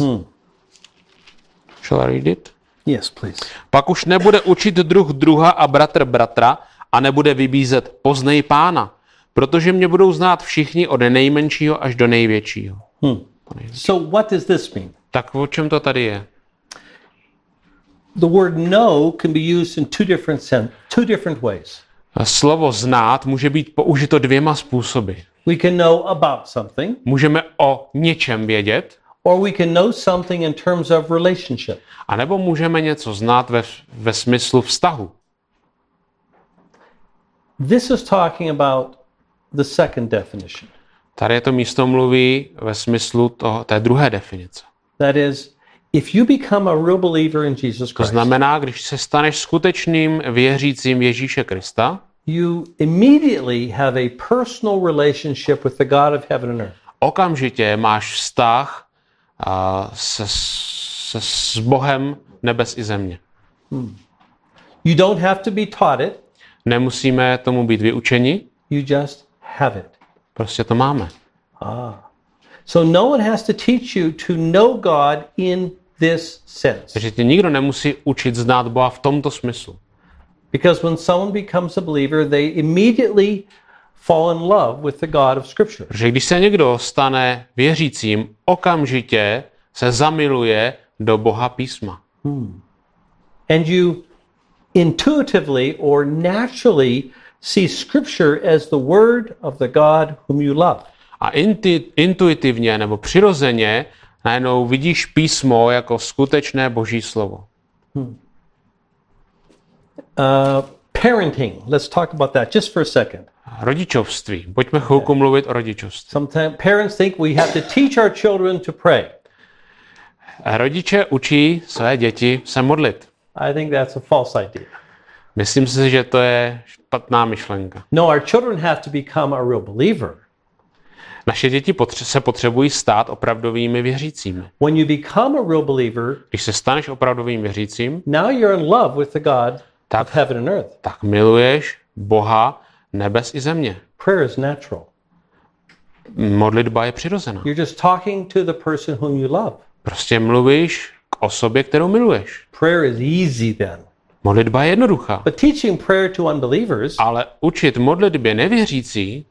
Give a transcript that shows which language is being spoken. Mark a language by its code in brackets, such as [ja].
[en] Hmm. Shall I read it? Yes, please. [cs] Pak už nebude učit druh druha a bratr bratra a nebude vybízet poznej Pána, protože mě budou znát všichni od nejmenšího až do největšího. [en] Hmm. So what does this mean? [cs] Tak o čem to tady je? [en] The word know can be used in two different ways. [cs] Slovo znát může být použito dvěma způsoby. [en] We can know about something. [cs] Můžeme o něčem vědět. [en] Or we can know something in terms of relationship. [cs] A nebo můžeme něco znát ve smyslu vztahu. [en] This is talking about the second definition. [cs] Tady to místo mluví ve smyslu toho té druhé definice. [en] That is, if you become a real believer in Jesus Christ. [cs] To znamená, když se staneš skutečným věřícím Ježíše Krista, [en] you immediately have a personal relationship with the God of heaven and earth. [cs] Okamžitě máš vztah s Bohem nebes i země. Hmm. [en] You don't have to be taught it. [cs] Nemusíme tomu být vyučeni. [en] You just have it. [cs] Prostě to máme. [en] So no one has to teach you to know God in this sense. [cs] Takže tě nikdo nemusí učit znát Boha v tomto smyslu. [en] Because when someone becomes a believer, they immediately fall in love with the God of Scripture. [cs] Že když se někdo stane věřícím, okamžitě se zamiluje do Boha písma. Hmm. [en] And you intuitively or naturally see Scripture as the word of the God whom you love. [cs] A intuitivně nebo přirozeně najednou vidíš písmo jako skutečné Boží slovo. [en] Parenting. Let's talk about that just for a second. [cs] Rodičovství. Pojďme chvilku mluvit o rodičovství. [en] Sometimes parents think we have to teach our children to pray. [cs] Rodiče učí své děti se modlit. [en] I think that's a false idea. [cs] Myslím si, že to je špatná myšlenka. [en] No, our children have to become a real believer. [cs] Naše děti se potřebují stát opravdovými věřícími. [en] When you become a real believer, [cs] když se staneš opravdovým věřícím, [en] now you're in love with the God of heaven and earth. [cs] Tak miluješ Boha nebes i země. [en] Prayer is natural. [cs] Modlitba je přirozená. [en] You're just talking to the person whom you love. [cs] Prostě mluvíš k osobě, kterou miluješ. [en] Prayer is easy then. [cs] Modlitba je jednoduchá. [en] But teaching prayer to unbelievers, [cs] ale učit modlitbě nevěřící,